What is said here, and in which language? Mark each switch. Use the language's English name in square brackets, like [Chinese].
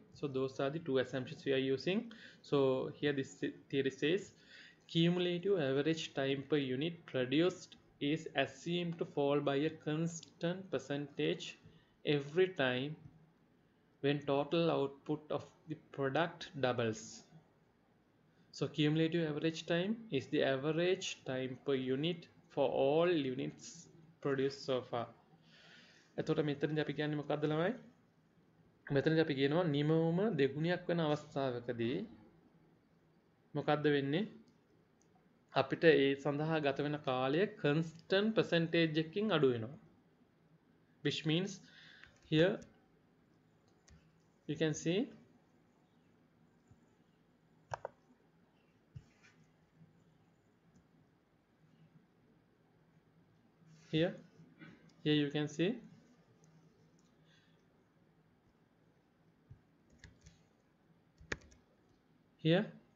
[English] So those are the two assumptions we are using. So here this theory says cumulative average time per unit produced is assumed to fall by a constant percentage every time when total output of the product doubles. So cumulative average time is the average time per unit for all units produced so far. [Sinhala] එතකොට මෙතනදී අපි කියන්නේ මොකද්ද ළමයි? මෙතනදී අපි කියනවා නිමවම දෙගුණයක් වෙන අවස්ථාවකදී මොකද්ද වෙන්නේ? අපිට ඒ සඳහා ගත වෙන කාලය constant percentage එකකින් අඩු වෙනවා. [English] Which means here you can see here you can see here